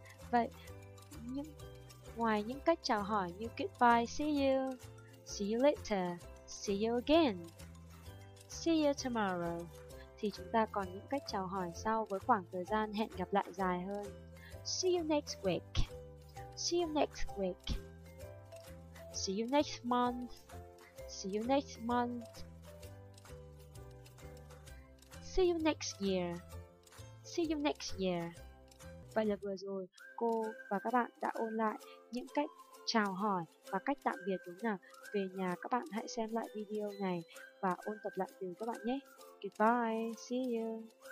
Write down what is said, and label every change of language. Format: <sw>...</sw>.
<vi>Vậy ngoài những cách chào hỏi như</vi> <en>goodbye, see you later, see you again, see you tomorrow,</en> <vi>thì chúng ta còn những cách chào hỏi sau với khoảng thời gian hẹn gặp lại dài hơn.</vi> <en>See you next week, see you next week, see you next month, see you next month, see you next year, see you next year.</en> <vi>Vậy là vừa rồi cô và các bạn đã ôn lại những cách chào hỏi và cách tạm biệt, đúng không nào? Về nhà các bạn hãy xem lại video này và ôn tập lại từ các bạn nhé.</vi> <en>Goodbye, see you.</en>